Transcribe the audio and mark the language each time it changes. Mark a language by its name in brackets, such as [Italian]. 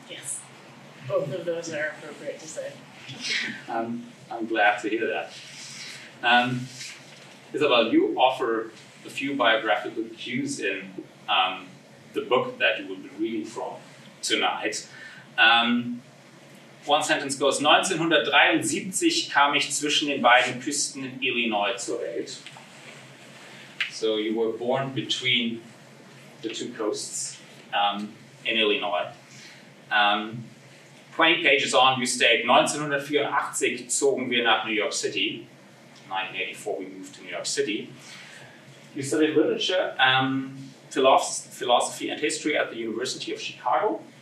[English] Yes, both of those are appropriate to say. I'm glad to hear that. Isabel, you offer a few biographical cues in the book that you will be reading from tonight. One sentence goes, [German] 1973 kam ich zwischen den beiden Küsten in Illinois zur Welt. [English] So you were born between the two coasts in Illinois. 20 pages on, you state, [German] 1984 zogen wir nach New York City. [English] 1984 we moved to New York City. You studied literature, philosophy and history at the University of Chicago.